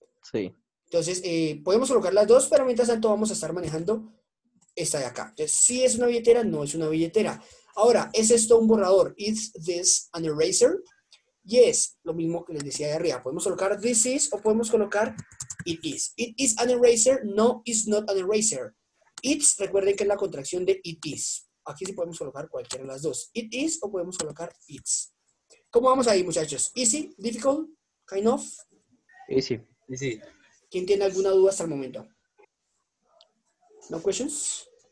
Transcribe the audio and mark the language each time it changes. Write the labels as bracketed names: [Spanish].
[Spanish] Sí. Entonces, podemos colocar las dos, pero mientras tanto vamos a estar manejando esta de acá. Entonces, sí es una billetera, no es una billetera. Ahora, ¿es esto un borrador? [English] ¿Is this an eraser? Yes, [Spanish] lo mismo que les decía de arriba. Podemos colocar this is o podemos colocar it is. [English] It is an eraser, no, it's not an eraser. [Spanish] It's, recuerden que es la contracción de it is. Aquí sí podemos colocar cualquiera de las dos. It is o podemos colocar it's. ¿Cómo vamos ahí, muchachos? [English] Easy, difficult, kind of. Easy. [Spanish] Sí. ¿Quién tiene alguna duda hasta el momento? [English] No questions.